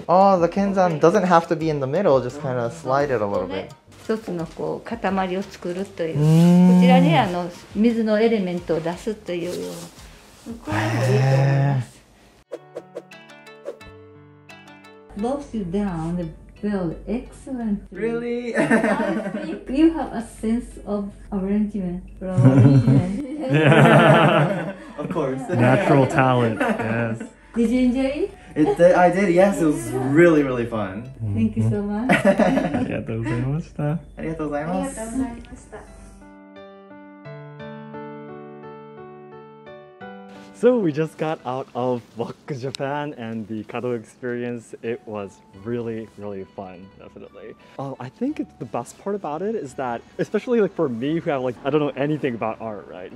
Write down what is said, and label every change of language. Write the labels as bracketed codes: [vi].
[en] Oh, the kenzan doesn't have to be in the middle, just kind of slide it a little bit. [ja] 一つのこう塊を作るという。こちらに水のエレメントを出すというような。これもいいと思います。 [en] both you down build excellent. Really? I think you have a sense of arrangement. Yeah. Of course. Yeah. Natural talent, yes. Did you enjoy it? I did, yes, it was really, really fun. Thank you so much. [ja] ありがとうございました。ありがとうございます。ありがとうございました。 [en] So we just got out of WAK Japan and the Kado experience. It was really, really fun, definitely. I think it's the best part about it is that, especially like for me who have like, I don't know anything about art, right?